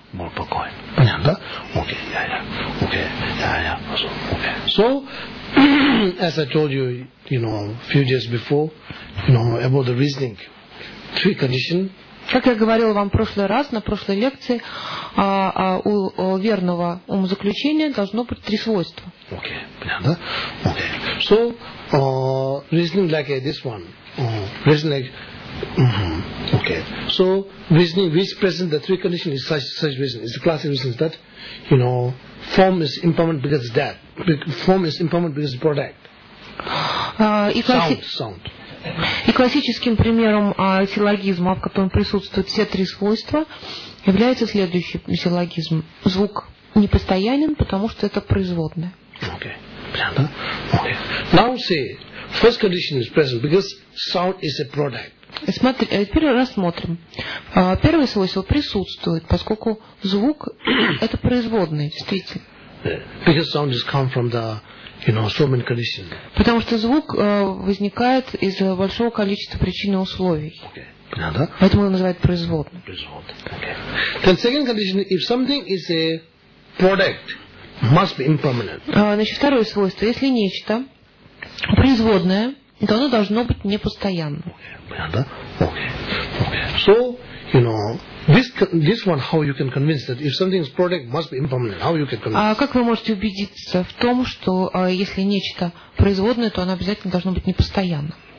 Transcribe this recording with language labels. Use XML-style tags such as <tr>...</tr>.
<ru>More покоя. Понятно, да? Окей, yeah. Окей, yeah. Окей.</ru> <en>So, as I told you, you know, a few days before, you know, about the reasoning, three conditions,</en> <ru>Как я говорила вам в прошлый раз, на прошлой лекции, у верного умозаключения должно быть три свойства. Окей, понятно? Окей.</ru> <en>So, reasoning like this one. Reasoning like... Okay. So, reasoning which presents the three conditions is such reason. It's a classic reason that, you know, form is impermanent because it's dead. Form is impermanent because it's product. Sound.</en> <ru>И классическим примером силлогизма, в котором присутствуют все три свойства, является следующий силлогизм. Звук непостоянен, потому что это производное.</ru> <en>Okay. Понятно? Okay. Now see, first condition is present because sound is a product.</en> <ru>Теперь рассмотрим. Первое свойство присутствует, поскольку звук это производное, действительно.</ru> <en>Because sound has come from the you know, so many conditions.</en> <ru>Потому что звук возникает из большого количества причин и условий.</ru> <en>Okay. Yeah, that?</en> <ru>Поэтому его называют производным.</ru> <en>Okay. Then second condition, if something is a product, must be impermanent.</en> <ru>Значит, второе свойство. Если нечто производное, то оно должно быть непостоянным.</ru> <en>Okay. Yeah, okay. So, you know, this one, how you can convince that if something is product, must be impermanent. How you can convince?</en> <ru>Как вы можете убедиться в том, что если нечто производное, то оно обязательно должно быть непостоянным?</ru>